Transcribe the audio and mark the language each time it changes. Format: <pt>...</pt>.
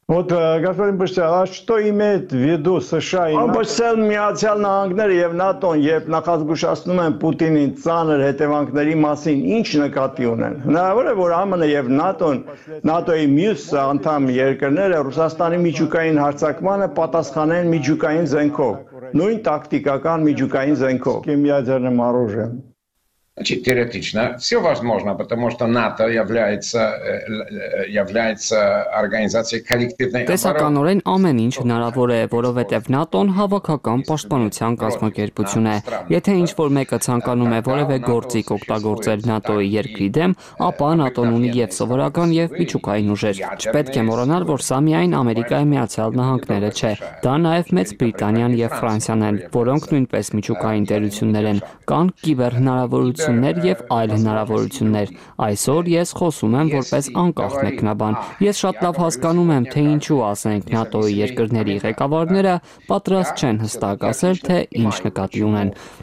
<ru>Вот, господин Пышцев, а что имеет в виду США и НАТО?</ru> <hy>Պշցել, Միացյալ Նահանգները և ՆԱՏՕ-ն, երբ նախազգուշացնում են Պուտինին ծանր հետևանքների մասին, ինչ նկատի ունեն? Հնարավոր է, որ ԱՄՆ-ը և ՆԱՏՕ-ն, ՆԱՏՕ-ի մյուս անդամ երկրները Ռուսաստանի միջուկային հարձակմանը պատասխանեն միջուկային զենքով, նույն տակտիկական միջուկային զենքով։</hy> <ru>Կիմիաձերնեմ առուժեմ։ Значит, теоретично все возможно, потому что НАТО является организацией коллективной обороны.</ru> <hy>Տեսականորեն ամեն ինչ հնարավոր է, որովհետև ՆԱՏՕ-ն հավաքական պաշտպանության կազմակերպություն է։ Եթե ինչ-որ մեկը ցանկանում է որևէ գործիք օգտագործել ՆԱՏՕ-ի երկրի դեմ, ապա ՆԱՏՕ-ն ունի և սովորական, և միջուկային ուժեր։ Չպետք է մոռանալ, որ սա միայն Ամերիկայի Միացյալ Նահանգները չէ, դա նաև Մեծ Բրիտանիան և Ֆրանսիան են, որոնք նույնպես միջուկային դերություններ են, կան կիբեր հնարավոր հնարավորություններ և այլ հնարավորություններ։ Այսօր ես խոսում եմ որպես անկախ մեկնաբան։ Ես շատ լավ հասկանում եմ, թե ինչու ասենք ՆԱՏՕ-ի երկրների ղեկավարները պատրաստ չեն հստակ ասել, թե ինչ նկատի ունեն։</hy>